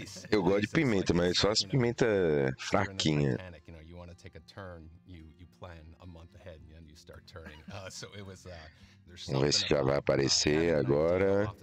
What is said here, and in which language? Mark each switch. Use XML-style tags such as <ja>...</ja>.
<pt>Eu gosto de pimenta, mas só as pimenta fraquinha.</pt> <en>You want to take a turn, you plan a month ahead and then you start turning. So it was</en> <pt>vamos ver se já vai aparecer agora.</pt>